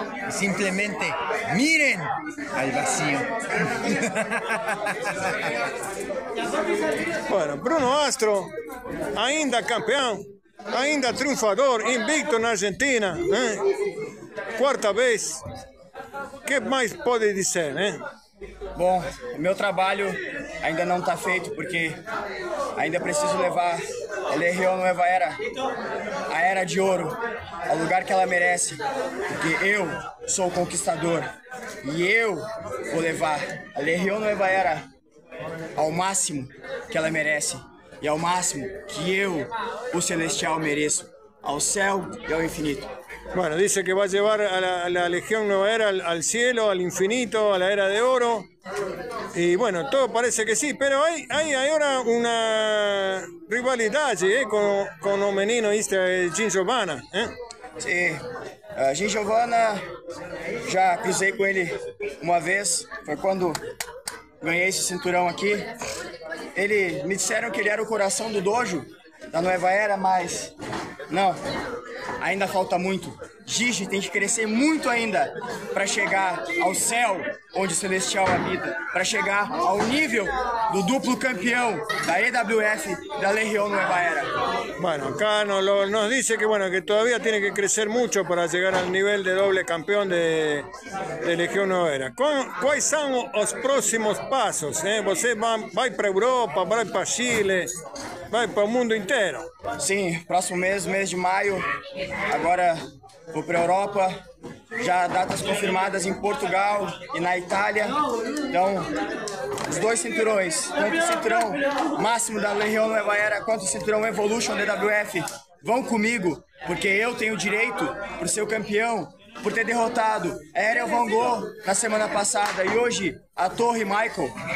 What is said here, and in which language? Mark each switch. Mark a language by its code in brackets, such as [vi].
[es] Simplemente miren al vacío. Bueno, Bruno Astro, ainda campeón, ainda triunfador, invicto en Argentina, ¿eh? Cuarta vez. ¿Qué más puede decir, [pt] Bom, meu trabalho ainda não está feito, porque ainda preciso levar a LRO Nueva Era, a Era de Ouro, ao lugar que ela merece, porque eu sou o conquistador e eu vou levar a LRO Nueva Era ao máximo que ela merece e ao máximo que eu, o Celestial, mereço, ao céu e ao infinito. [es] Bueno, dice que va a llevar a la Legión Nueva Era al cielo, al infinito, a la Era de Oro. Y bueno, todo parece que sí, pero hay ahora una rivalidad allí, con el menino Gin Giovanna. Sí, Gin Giovanna, ya cruzei con él una vez, fue cuando gané ese cinturón aquí. Ellos me dijeron que él era el corazón del dojo da Nueva Era, [pt] mas no. Ainda falta muito. Gigi tem que crescer muito ainda para chegar ao céu onde o Celestial habita, para chegar ao nível do duplo campeão da EWF da Legião Nueva Era. [es] Bueno, acá nos dice que bueno, que todavía tiene que crecer mucho para llegar al nivel de doble campeón de Legião Nueva Era. ¿Cuáles son os próximos pasos, eh? [pt] Você vai para Europa, vai para Chile, vai para o mundo inteiro. Sim, próximo mês de maio. Agora vou para a Europa, já datas confirmadas em Portugal e na Itália. Então, os dois cinturões, tanto o cinturão máximo da Legião Nueva Era quanto o cinturão Evolution DWF, vão comigo, porque eu tenho direito por ser o campeão, por ter derrotado Ariel Van Gogh na semana passada e hoje a Torre Michael.